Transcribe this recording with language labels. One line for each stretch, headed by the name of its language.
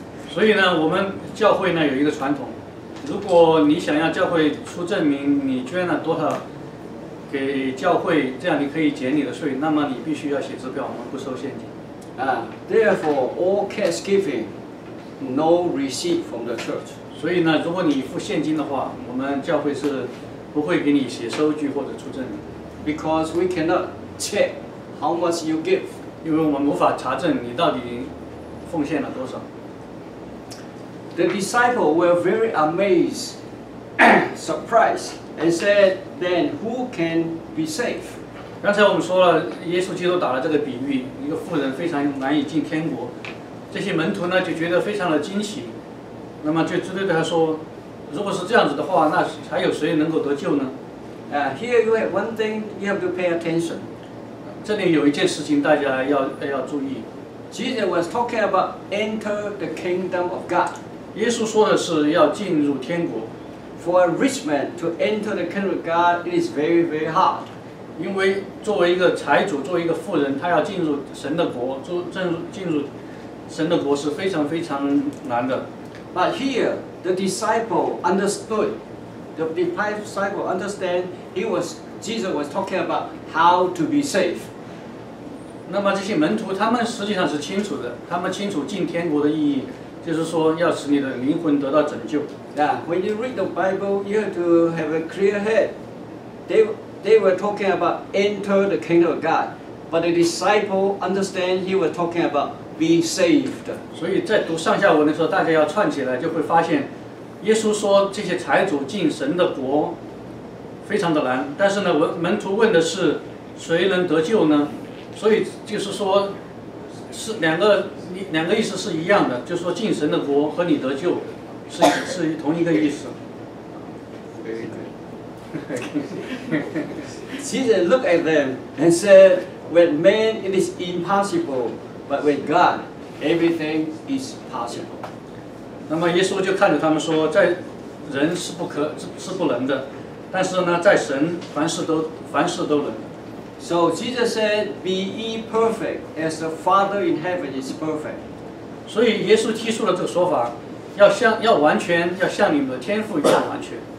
Chinese: 所以呢，我们教会呢有一个传统，如果你想要教会出证明你捐了多少给教会，这样你可以减你的税，那么你必须要写支票，我们不收现金。
English: Therefore, all cash giving, no receipt from the church.
Chinese: 所以呢，如果你付现金的话，我们教会是不会给你写收据或者出证的。
English: Because we cannot check how much you give.
Chinese: 因为我们无法查证你到底奉献了多少。
English: The disciples were very amazed, surprised, and said, "Then who can be saved?"
Chinese: 刚才我们说了，耶稣基督打了这个比喻，一个富人非常难以进天国。这些门徒呢就觉得非常的惊喜，那么就直接对他说，如果是这样子的话，那还有谁能够得救呢？
English: Here you have one thing you have to pay attention.
Chinese: 这里有一件事情大家要注意。
English: Jesus was talking about enter the kingdom of God.
Chinese: 耶稣说的是要进入天国。
English: For a rich man to enter the kingdom of God, it is very, very hard.
Chinese: 因为作为一个财主，作为一个富人，他要进入神的国，是非常非常难的。
English: But here the disciple understood. The disciple understand he was Jesus was talking about how to be saved.
Chinese: 那么这些门徒他们实际上是清楚的，他们清楚进天国的意义，就是说要使你的灵魂得到拯救。
English: Yeah, when you read the Bible, you have to have a clear head. They were talking about enter the kingdom of God, but the disciple understand he was talking about being saved.
Chinese: 所以在读上下文的时候，大家要串起来，就会发现，耶稣说这些财主进神的国非常的难，但是呢，门徒问的是谁能得救呢？所以就是说，是两个意思是一样的，就是说进神的国和你得救是同一个意思。
English: Jesus looked at them and said, "With man it is impossible, but with God everything is possible."
Chinese: 那么耶稣就看着他们说，在人是不能的，但是呢，在神凡事都能。
English: So Jesus said, "Be ye perfect, as the Father in heaven is perfect."
Chinese: 所以耶稣提出了这个说法，要像要完全，要像你们的天父一样完全。